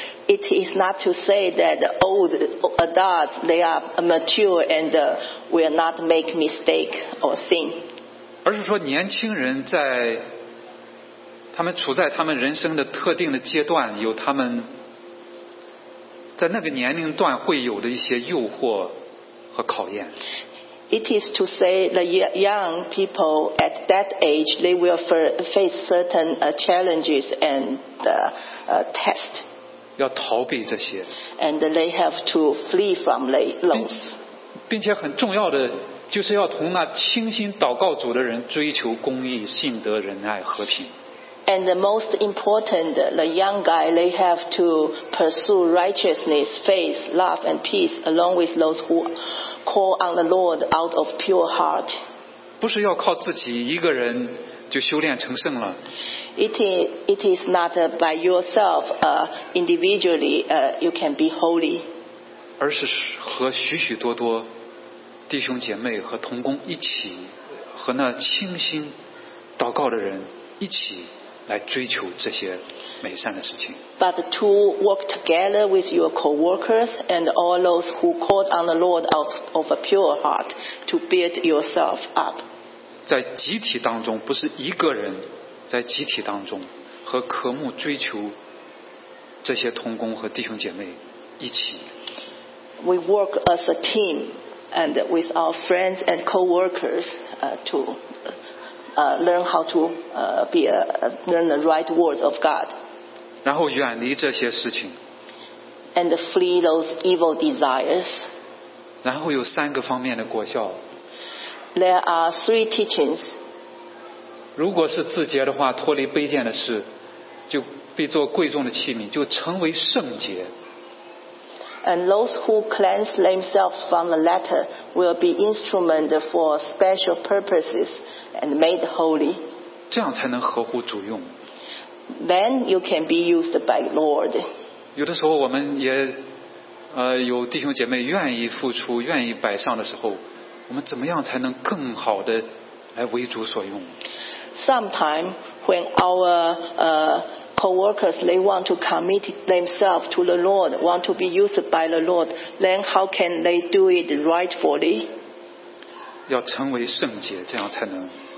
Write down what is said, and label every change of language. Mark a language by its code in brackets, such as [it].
[en] It is not to say that old adults they are mature and will not make mistake or sin. [zh] 而是说年轻人在他们处在他们人生的特定的阶段，有他们在那个年龄段会有的一些诱惑和考验。 [en] It is to say the young people at that age they will face certain challenges and tests. [zh] 要逃避这些 [en] and they have to flee from those [zh] 并且很重要的就是要同那倾心祷告主的人追求公义信德仁爱和平 [en] and the most important the young guy they have to pursue righteousness faith love and peace along with those who call on the Lord out of pure heart [zh] 不是要靠自己一个人就修炼成圣了 [en] It is not by yourself, individually, you can be holy. [zh] 而是和许许多多弟兄姐妹和同工一起，和那倾心祷告的人一起来追求这些美善的事情。 [en] But to work together with your co-workers and all those who called on the Lord out of a pure heart to build yourself up. [zh] 在集体当中，不是一个人。在集体当中和渴慕追求这些同工和弟兄姐妹一起 [en] We work as a team and with our friends and co-workers to learn how to be learn the right words of God [zh] 然后远离这些事情 [en] and flee those evil desires [zh] 然后有三个方面的果效 [en] There are three teachings [zh] 如果是自洁的话脱离卑贱的事就必做贵重的器皿就成为圣洁 [en] and those who cleanse themselves from the latter will be instrument for special purposes and made holy [zh] 这样才能合乎主用 [en] then you can be used by the Lord [zh] 有的时候我们也有弟兄姐妹愿意付出愿意摆上的时候我们怎么样才能更好的来为主所用 [en] Sometimes when our co-workers they want to commit themselves to the Lord, want to be used by the Lord, then how can they do it rightfully? [zh] 要成为圣洁，这样才能